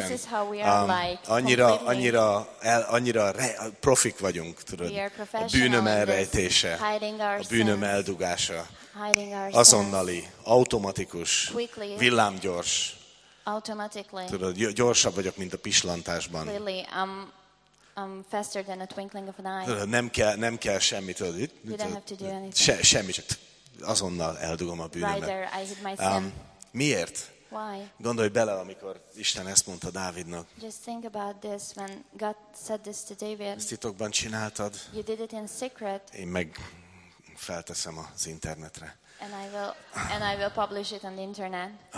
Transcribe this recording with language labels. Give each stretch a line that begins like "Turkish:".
English: But this is how we are like.
Hungarian: Annyira profik vagyunk, tudod.
English: We are professional.
Hungarian: A bűnöm elrejtése.
English: Hiding our sins.
Hungarian: A bűnöm eldugása.
English: Hiding our sins.
Hungarian: Azonnali, automatikus,
English: quickly,
Hungarian: villámgyors.
English: Automatically.
Hungarian: Tudod, gyorsabb vagyok, mint a pislantásban.
English: Clearly, I'm faster than a twinkling of an eye.
Hungarian: Tudod, nem kell semmit, tudod.
English: You don't have to do anything.
Hungarian: Semmi, csak azonnal eldugom a bűnömet.
English: Right there, I hit myself.
Hungarian: Miért?
English: Why?
Hungarian: Gondolj bele, amikor Isten ezt mondta Dávidnak.
English: Just think about this when God said this to David.
Hungarian: Ezt titokban csináltad.
English: You did it in secret.
Hungarian: Én meg felteszem az internetre.
English: And I will publish it on the internet.